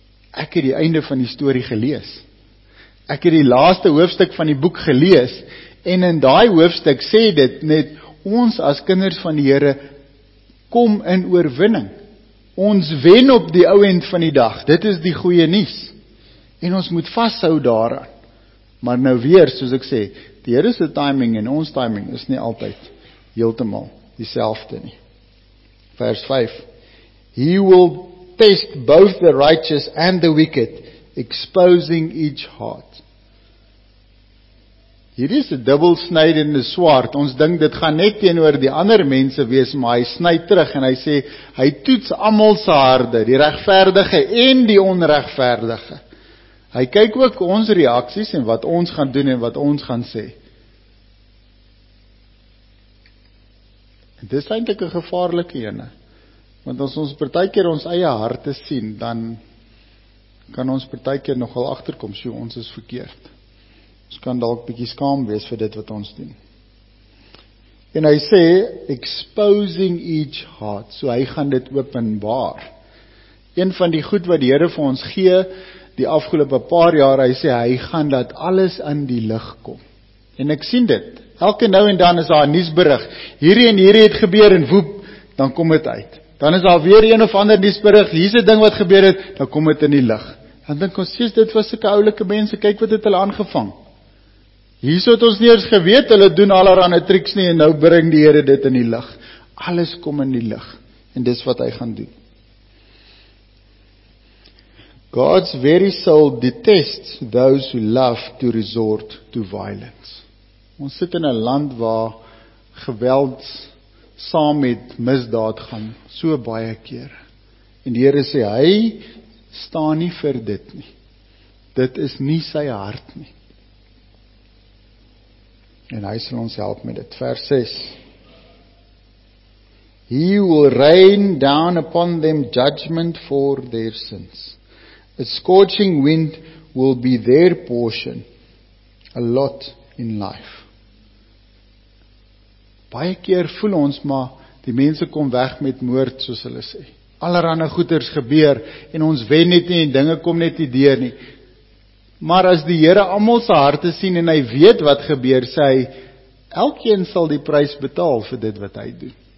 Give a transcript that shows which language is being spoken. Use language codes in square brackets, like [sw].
[af] Ek het die einde van die story gelees. Ek het die laaste hoofstuk van die boek gelees, en in daai hoofstuk sê dit net, ons as kinders van die Here kom in oorwinning. Ons wen op die ou end van die dag, dit is die goeie nuus. En ons moet vashou daaraan. Maar nou weer, soos ek sê, die Here se timing en ons timing is nie altyd heeltemal dieselfde nie. [en] Vers 5, He will test both the righteous and the wicked, exposing each heart. [af] Hier is 'n dubbelsnydende swaard, ons dink dit gaan net teenoor die ander mense wees, maar hy sny terug en hy sê, hy toets almal se harte, die regverdige en die onregverdige. Hy kyk ook ons reaksies en wat ons gaan doen en wat ons gaan sê. Dit is eintlik 'n gevaarlike ene, want as ons partykeer ons eie harte sien, dan kan ons partykeer nogal agterkom, so ons is verkeerd. Ons kan dalk bietjie skaam wees vir dit wat ons doen. En hy sê, [en] exposing each heart, [af] so hy gaan dit openbaar. Een van die goed wat die Here vir ons gee, die afgelope paar jaar, hy sê, hy gaan dat alles in die lig kom. En ek sien dit. Elke nou en dan is daar 'n nuusberig. Hierdie en hierdie het gebeur en woep, dan kom dit uit. Dan is daar weer een of ander nuusberig, hier's 'n ding wat gebeur het, dan kom dit in die lig. Dan dink ons, sies, dit was sulke oulike mense, kyk wat het hulle aangevang. Hierso het ons nie eens geweet, hulle doen allerhande triks nie, en nou bring die Here dit in die lig. Alles kom in die lig, en dis wat hy gaan doen. [en] God's very soul detests those who love to resort to violence. [af] Ons sit in 'n land waar geweld saam met misdaad gaan, so baie keer. En die Here sê, hy staan nie vir dit nie. Dit is nie sy hart nie. En hy sal ons help met dit. Vers 6. [en] He will rain down upon them judgment for their sins. A scorching wind will be their portion, a lot in life. [af] Baie keer voel ons, maar die mense kom weg met moord, soos hulle sê. Allerhande goeders gebeur, en ons wen net nie, en dinge kom net nie deur nie. Maar as die Here almal se harte sien, en hy weet wat gebeur, sê hy, elkeen sal die prys betaal vir dit wat hy doen.